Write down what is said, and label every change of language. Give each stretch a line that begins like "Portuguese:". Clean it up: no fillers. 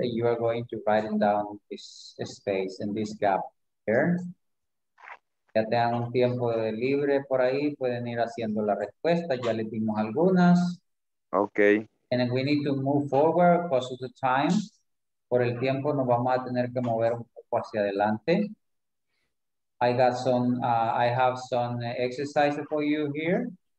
English: You are going to write down this space and this gap here.
Spanish: Ya tengan un tiempo libre por ahí. Pueden ir haciendo la respuesta. Ya les dimos algunas.
English: Okay. And then we need to move forward because of the time.
Spanish: Por el tiempo, nos vamos a tener que mover un poco hacia adelante.
English: I got some, I have some exercises for you here.